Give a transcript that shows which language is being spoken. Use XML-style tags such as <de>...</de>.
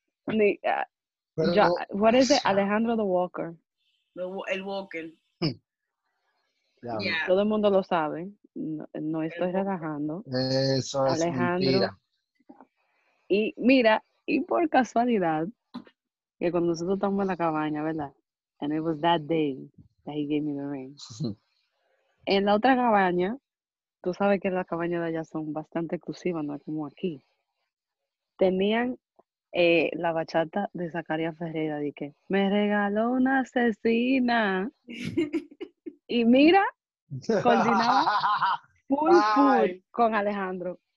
<es>Ni, yo, no.</es> <en>What is it? Alejandro the Walker.</en> <es>El Walker. Yeah. Todo el mundo lo sabe. No, no estoy relajando. Eso es Alejandro. Mentira. Y mira, y por casualidad, que cuando nosotros estamos en la cabaña, ¿verdad?</es> <en>And it was that day that he gave me the ring.</en> <es>En la otra cabaña, tú sabes que las cabañas de allá son bastante exclusivas, no es como aquí. Tenían la bachata de Zacarías Ferreira, de que me regaló una asesina. Y mira, coordinaba full con Alejandro.</es>